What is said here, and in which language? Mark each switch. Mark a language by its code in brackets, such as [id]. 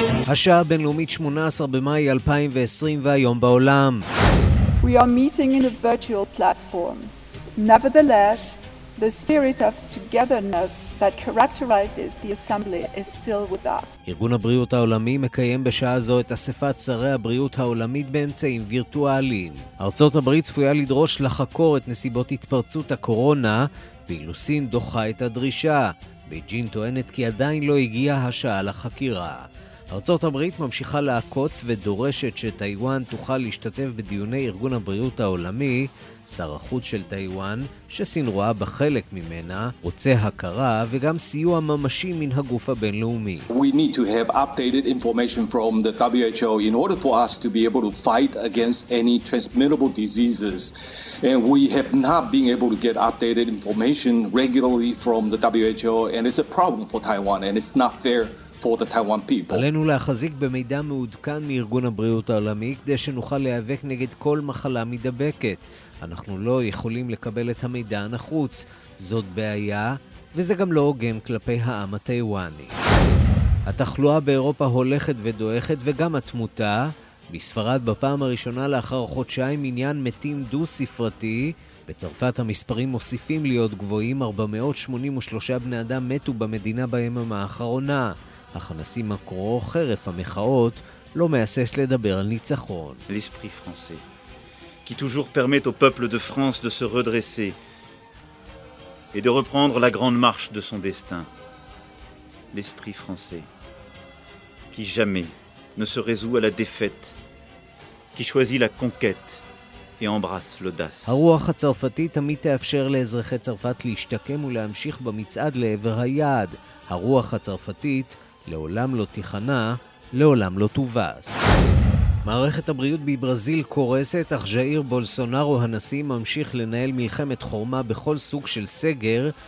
[he] השעה הבינלאומית 18 במאי 2020 והיום בעולם. [en] We are meeting in a virtual platform. Nevertheless, the spirit of togetherness that characterizes the assembly is still with us. [he] ארגון הבריאות העולמי מקיים בשעה זו את אספת שרי הבריאות העולמית באמצעים וירטואליים. ארצות הברית צפויה לדרוש לחקור את נסיבות התפרצות הקורונה, ואילו סין דוחה את הדרישה. בייג'ין טוענת כי עדיין לא הגיעה השעה לחקירה. ארצות הברית ממשיכה לעקוץ ודורשת שטייוואן תוכל להשתתף בדיוני ארגון הבריאות העולמי. שר החוץ של טייוואן, שסין רואה בחלק ממנה, רוצה הכרה וגם סיוע ממשי מן הגוף הבינלאומי. [en] We need to have updated information from the WHO in order for us to be able to fight against any transmittable diseases. And we have not been able to get updated information regularly from the WHO, and it's a problem for Taiwan, and it's not fair. [he] עלינו להחזיק במידע מעודכן מארגון הבריאות העולמי כדי שנוכל להיאבק נגד כל מחלה מדבקת. אנחנו לא יכולים לקבל את המידע הנחוץ. זאת בעיה, וזה גם לא הוגן כלפי העם הטיוואני. התחלואה באירופה הולכת ודואכת וגם התמותה. בספרד בפעם הראשונה לאחר חודשיים עניין מתים דו ספרתי. בצרפת המספרים מוסיפים להיות גבוהים. 483 בני אדם מתו במדינה ביממה האחרונה. אך הנשיא מקרו, חרף המחאות, לא מהסס לדבר על ניצחון. [fr] L'esprit français, qui toujours permet au peuple de France de se redresser et de reprendre la grande marche de son destin. L'esprit français, qui jamais ne se résout à la défaite, qui choisit la conquête et embrasse l'audace. [he] הרוח הצרפתית תמיד תאפשר לאזרחי צרפת להשתקם ולהמשיך במצעד לעבר היעד. הרוח הצרפתית לעולם לא תיכנה, לעולם לא תובס. מערכת הבריאות בברזיל קורסת, אך ז'איר בולסונארו הנשיא ממשיך לנהל מלחמת חורמה בכל סוג של סגר.